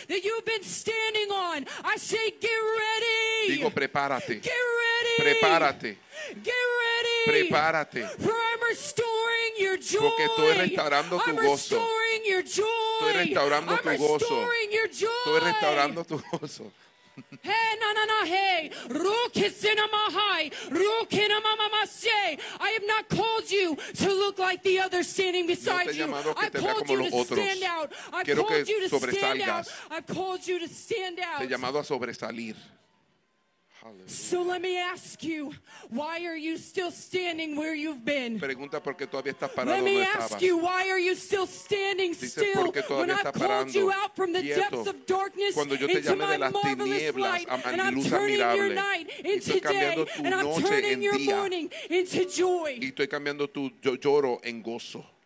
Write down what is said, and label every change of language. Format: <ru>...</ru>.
<en>That you've been standing on. I say, get ready.</en> <es>Digo, prepárate.</es> <en>Get ready.</en> <es>Prepárate.</es> <en>Get ready.</en> <es>Prepárate.</es> <en>For I'm restoring your joy.</en> <es>Porque estoy restaurando tu gozo.</es> <en>Your joy.</en> <es>Estoy restaurando</es> <en>I'm</en> <es>tu gozo.</es> <en>Restoring your joy.</en> <es>Estoy restaurando tu gozo. Hey, na, hey. Rokisinama hai. Rokinama mama say.</es> <en>I have not called you to look like the others standing beside you. I called you to stand out.</en> <es>Quiero que sobresalgas.</es> <en>I've called you to stand out.</en> <es>Te he llamado a sobresalir.</es> <en>So let me ask you, why are you still standing where you've been?</en> <es>Pregunta por qué todavía estás parado.</es> <en>Let me ask you, why are you still standing still when I called you out from the depths of darkness into my marvelous light, and I'm turning your night into day, and I'm turning your morning into joy.</en> <es>Y estoy cambiando tu lloro en gozo.</es>